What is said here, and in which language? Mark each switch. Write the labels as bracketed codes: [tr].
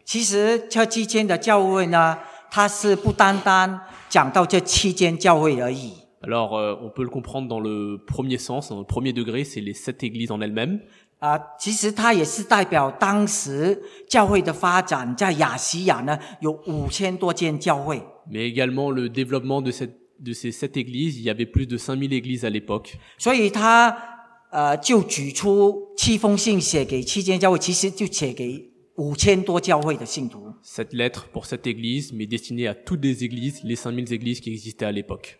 [zh] 其实这期间的教会呢，它是不单单讲到这七间教会而已。 [fr] Alors, on peut le comprendre dans le premier sens, dans le premier degré, c'est les sept églises en elles-mêmes. [zh] 其实它也是代表当时教会的发展，在亚细亚呢有五千多间教会。 [fr] Mais également le développement de ces sept églises, il y avait plus de 5000 églises à l'époque. [zh] 所以他就举出七封信写给七间教会，其实就写给五千多教会的信徒。 [fr] Cette lettre pour cette église, mais destinée à toutes les églises, les 5000 églises qui existaient à l'époque.